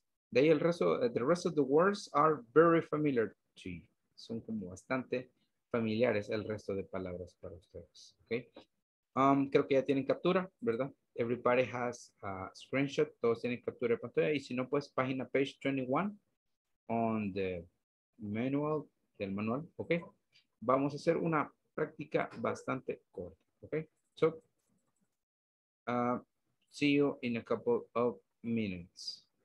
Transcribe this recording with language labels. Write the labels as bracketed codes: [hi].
[es] De ahí el resto, [en] the rest of the words are very familiar to you. [es] Son como bastante familiares el resto de palabras para ustedes. Ok. Creo que ya tienen captura, ¿verdad? [en] Everybody has a screenshot. [es] Todos tienen captura de pantalla. Y si no, pues página [en] page 21 on the manual. [es] Del manual, ok. Vamos a hacer una práctica bastante corta, ok. [en] So, see you in a couple of minutes.